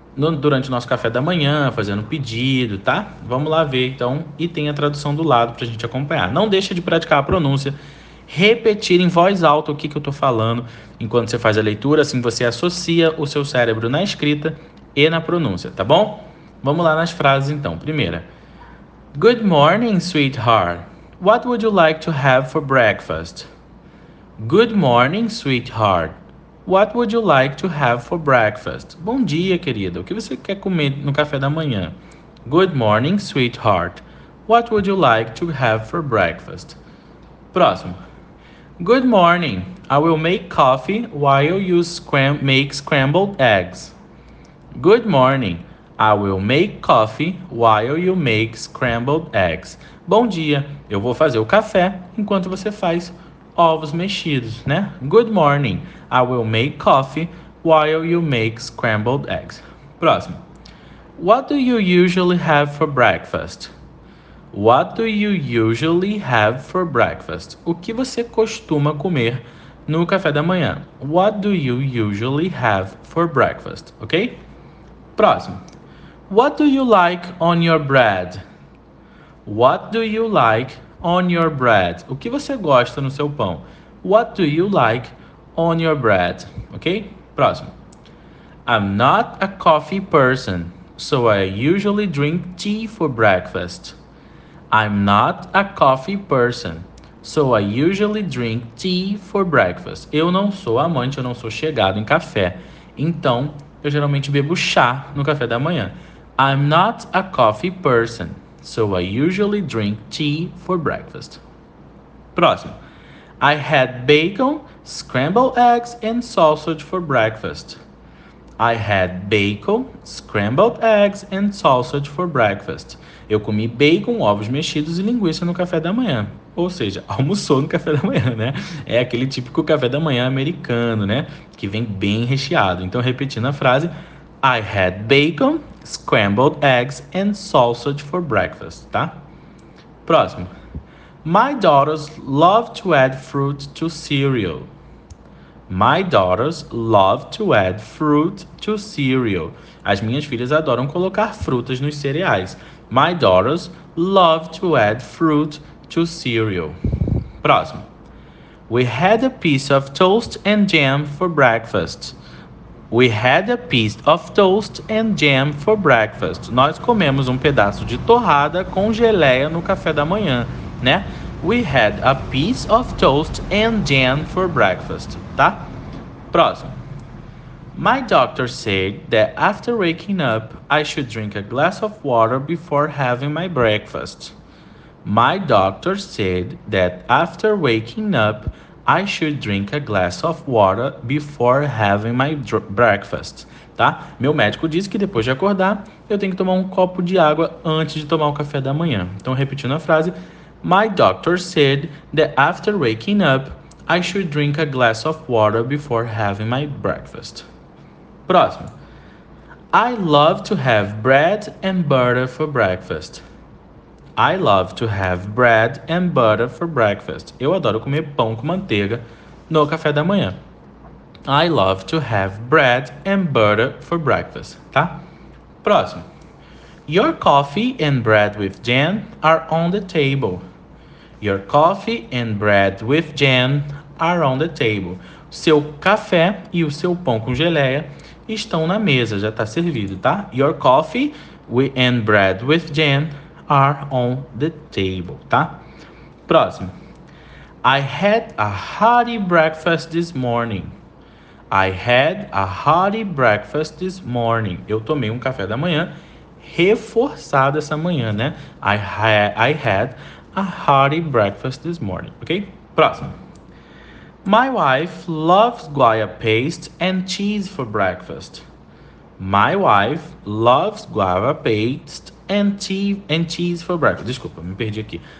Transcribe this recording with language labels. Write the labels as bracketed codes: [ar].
[pt] durante o nosso café da manhã, fazendo pedido, tá? Vamos lá ver então, e tem a tradução do lado para a gente acompanhar. Não deixa de praticar a pronúncia, repetir em voz alta o que que eu estou falando enquanto você faz a leitura, assim você associa o seu cérebro na escrita e na pronúncia, tá bom? Vamos lá nas frases então. Primeira: [en] Good morning, sweetheart. What would you like to have for breakfast? Good morning, sweetheart. What would you like to have for breakfast? [pt] Bom dia, querida. O que você quer comer no café da manhã? [en] Good morning, sweetheart. What would you like to have for breakfast? [pt] Próximo. [en] Good morning. I will make coffee while you make scrambled eggs. Good morning. I will make coffee while you make scrambled eggs. [pt] Bom dia. Eu vou fazer o café enquanto você faz ovos mexidos, né? [en] Good morning. I will make coffee while you make scrambled eggs. [pt] Próximo. [en] What do you usually have for breakfast? What do you usually have for breakfast? [pt] O que você costuma comer no café da manhã? [en] What do you usually have for breakfast? Ok? [pt] Próximo. [en] What do you like on your bread? What do you like on your bread? [pt] O que você gosta no seu pão? [en] What do you like on your bread? [pt] Ok? Próximo. [en] I'm not a coffee person, so I usually drink tea for breakfast. I'm not a coffee person, so I usually drink tea for breakfast. [pt] Eu não sou amante, eu não sou chegado em café. Então, eu geralmente bebo chá no café da manhã. [en] I'm not a coffee person, so I usually drink tea for breakfast. [pt] Próximo. [en] I had bacon, scrambled eggs and sausage for breakfast. I had bacon, scrambled eggs and sausage for breakfast. [pt] Eu comi bacon, ovos mexidos e linguiça no café da manhã. Ou seja, almoçou no café da manhã, né? É aquele típico café da manhã americano, né? Que vem bem recheado. Então, repetindo a frase: [en] I had bacon, scrambled eggs and sausage for breakfast, [pt] tá? Próximo. [en] My daughters love to add fruit to cereal. My daughters love to add fruit to cereal. [pt] As minhas filhas adoram colocar frutas nos cereais. [en] My daughters love to add fruit to cereal. [pt] Próximo. [en] We had a piece of toast and jam for breakfast. We had a piece of toast and jam for breakfast. [pt] Nós comemos um pedaço de torrada com geleia no café da manhã, né? [en] We had a piece of toast and jam for breakfast, tá? [pt] Próximo. [en] My doctor said that after waking up, I should drink a glass of water before having my breakfast. My doctor said that after waking up, I should drink a glass of water before having my breakfast, tá? [pt] Meu médico disse que depois de acordar, eu tenho que tomar um copo de água antes de tomar o café da manhã. Então, repetindo a frase: [en] My doctor said that after waking up, I should drink a glass of water before having my breakfast. [pt] Próximo. [en] I love to have bread and butter for breakfast. I love to have bread and butter for breakfast. [pt] Eu adoro comer pão com manteiga no café da manhã. [en] I love to have bread and butter for breakfast, tá? [pt] Próximo. [en] Your coffee and bread with jam are on the table. Your coffee and bread with jam are on the table. [pt] Seu café e o seu pão com geleia estão na mesa, já está servido, tá? [en] Your coffee and bread with jam are on the table, tá? [pt] Próximo. [en] I had a hearty breakfast this morning. I had a hearty breakfast this morning. [pt] Eu tomei um café da manhã reforçado essa manhã, né? [en] I had a hearty breakfast this morning, ok? [pt] Próximo. [en] My wife loves guava paste and cheese for breakfast. My wife loves guava paste and cheese for breakfast. [pt] Desculpa, me perdi aqui.